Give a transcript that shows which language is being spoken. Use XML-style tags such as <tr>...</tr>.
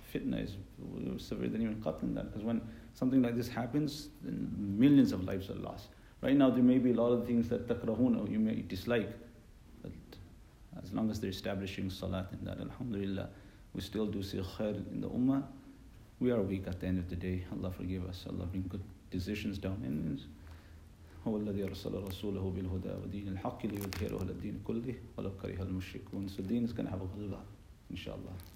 <en>Fitna is severe than even qat in that. Because when something like this happens, then millions of lives are lost. Right now there may be a lot of things that takrahuna, you may dislike. But as long as they're establishing salat in that, alhamdulillah, we still do see khair in the ummah. We are weak at the end of the day. Allah forgive us. Allah bring good decisions down in this.</en> <ar>هو الذي أرسل رسوله بالهدى ودين الحق ليظهره على الدين كله ولو كره المشركون.</ar> <en>So deen is going to have a ghalba, inshallah.</en>